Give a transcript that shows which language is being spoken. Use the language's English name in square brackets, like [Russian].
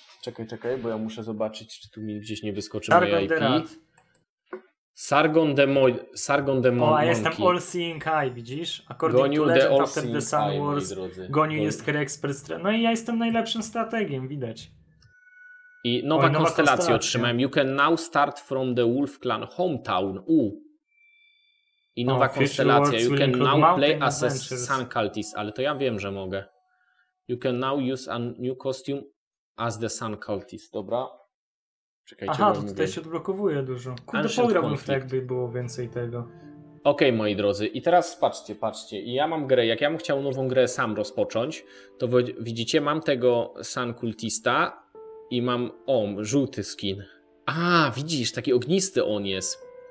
[Polish] Czekaj, czekaj, bo ja muszę zobaczyć, czy tu mi gdzieś nie wyskoczy moje IP. Sargon de Monkey. O, a jestem All Seeing Eye, widzisz? According to Legend, after the Sun Wars, Gonyu jest Krexpert Strategy. No i ja jestem najlepszym strategiem, widać. I nowa konstelacja otrzymałem. [English] You can now start from the Wolf Clan hometown. I nowa konstelacja. You can now play as a Sun Cultist. Ale to ja wiem, że mogę. You can now use a new costume as the Sun Cultist. [Polish] Dobra. Czekajcie, aha, to tutaj się odblokowuje dużo. Kurde, pograłbym w to, jakby było więcej tego. Okej, moi drodzy. I teraz patrzcie, patrzcie. I ja mam grę. Jak ja bym chciał nową grę sam rozpocząć, to widzicie, mam tego Sun Cultista. I mam, o, żółty skin. A, widzisz, taki ognisty on jest.